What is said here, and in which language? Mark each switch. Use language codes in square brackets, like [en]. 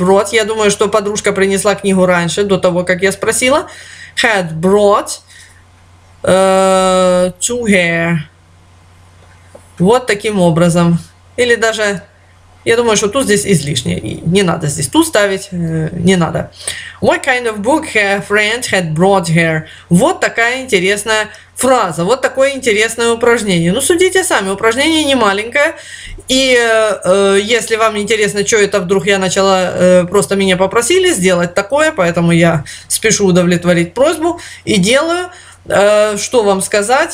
[ru] Я думаю, что подружка принесла книгу раньше, до того, как я спросила. [en] Had brought to her. [ru] Вот таким образом. Или даже, я думаю, что тут здесь излишнее. Не надо здесь тут ставить, не надо. [en] What kind of book her friend had brought her? [ru] Вот такая интересная фраза, вот такое интересное упражнение. Ну, судите сами, упражнение не маленькое. И если вам интересно, что это вдруг я начала, просто меня попросили сделать такое, поэтому я спешу удовлетворить просьбу и делаю. Что вам сказать?